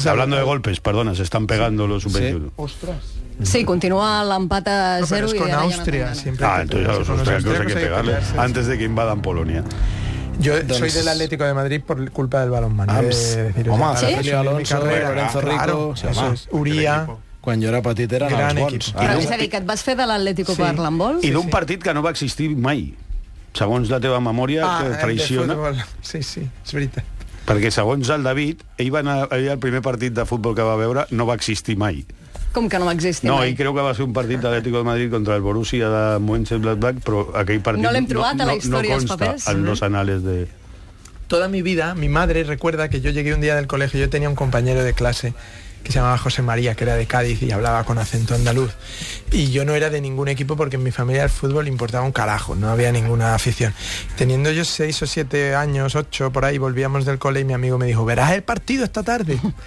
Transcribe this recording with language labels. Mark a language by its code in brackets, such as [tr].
[es] Hablando de golpes, perdona, se están pegando los sub-21. [ca] Ostras. Sí, continúa l'empat a 0. [es] Pero es con Austria. Entonces a los austriacos hay que pegarle antes de que invadan Polonia. Yo soy del Atlético de Madrid por culpa del balonmano. [ca] Home, sí. Sergio Alonso, Lorenzo Rico, Uria... Quan jo era petit eren els bons. Però és a dir, que et vas fer de l'Atlético per l'embol? I d'un partit que no va existir mai, segons la teva memòria, que traïciona. Sí, sí, és veritat. Perquè segons el David, ell va anar al primer partit de futbol que va veure, no va existir mai. Com que no va existir? No, i crec que va ser un partit d'Atlético de Madrid contra el Borussia de Mönchengladbach, però aquell partit no l'hem trobat a la història dels papers. [es] No consta en los anales de... Toda mi vida, mi madre recuerda que yo llegué un día del colegio, yo tenía un compañero de clase que se llamaba José María, que era de Cádiz y hablaba con acento andaluz. Y yo no era de ningún equipo porque en mi familia el fútbol importaba un carajo, no había ninguna afición. Teniendo yo 6 o 7 años, 8, por ahí, volvíamos del cole y mi amigo me dijo: ¿verás el partido esta tarde?